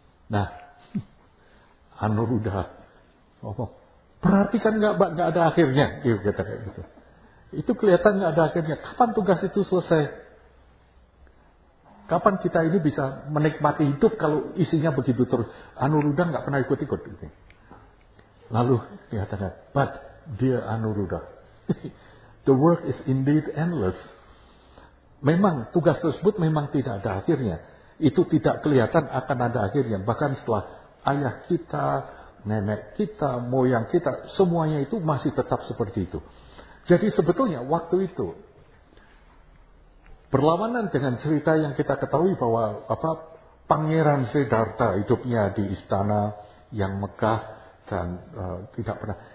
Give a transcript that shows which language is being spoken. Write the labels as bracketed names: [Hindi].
[Indonesian] Nah, Anuruddha, oh, berarti kan nggak ada akhirnya, gitu. Itu kelihatan nggak ada akhirnya. Kapan tugas itu selesai? Kapan kita ini bisa menikmati hidup kalau isinya begitu terus? Anuruddha nggak pernah ikut-ikut. Gitu. Lalu katanya, [English] but dear Anuruddha, the work is indeed endless. [Indonesian] Memang tugas tersebut memang tidak ada akhirnya. Itu tidak kelihatan akan ada akhirnya. Bahkan setelah ayah kita, nenek kita, moyang kita, semuanya itu masih tetap seperti itu. Jadi sebetulnya waktu itu, berlawanan dengan cerita yang kita ketahui bahwa apa, Pangeran Siddhartha hidupnya di istana yang megah dan tidak pernah.